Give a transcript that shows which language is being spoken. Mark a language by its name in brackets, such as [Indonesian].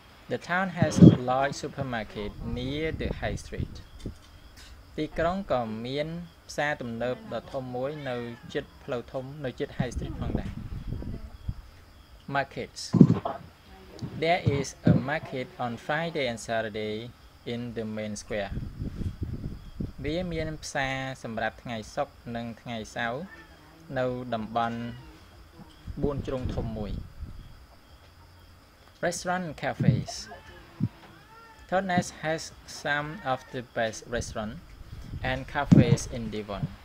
[English] The town has a large supermarket near the High Street. [Khmer] ទីក្រុងក៏មានផ្សារទំនើបដ៏ធំមួយនៅជិតផ្លូវធំនៅជិត High Street ផងដែរ. [English] Markets. There is a market on Friday and Saturday in the main square. [Khmer] វាមានផ្សារសម្រាប់ថ្ងៃសុក្រនិងថ្ងៃសៅរ៍នៅតំបន់4ជ្រុងធំមួយ. [English] Restaurant and cafes. Totnes has some of the best restaurants and cafes in Devon.